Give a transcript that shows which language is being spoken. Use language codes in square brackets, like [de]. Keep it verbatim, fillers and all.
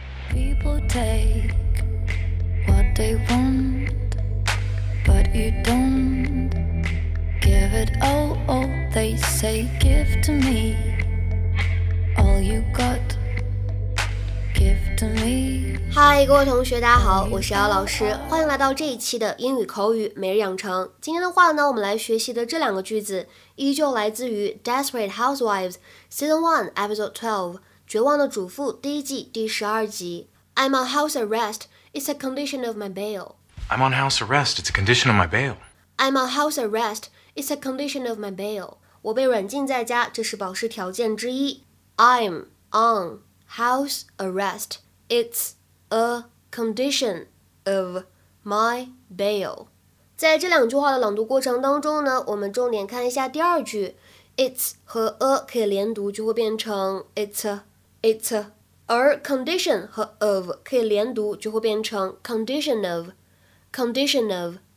[en] People take what they want, but you don't give it all. all. They say give to me all you got, give to me. [zh] 嗨，各位同学，大家好，我是姚老师，欢迎来到这一期的英语口语每日养成。今天的话呢，我们来学习的这两个句子依旧来自于 Desperate Housewives Season one Episode twelve绝望的主妇第一季第十二集 [en] I'm on house arrest, it's a condition of my bail. I'm on house arrest, it's a condition of my bail. I'm on house arrest, it's a condition of my bail. [zh] 我被软禁在家，这是保释条件之一。 [en] I'm on house arrest, it's a condition of my bail. [zh] 在这两句话的朗读过程当中呢，我们重点看一下第二句 It's 和 a 可以连读，就会变成 It's a It's a, 而 condition 和 of 可以连读，就会变成 condition of, condition of.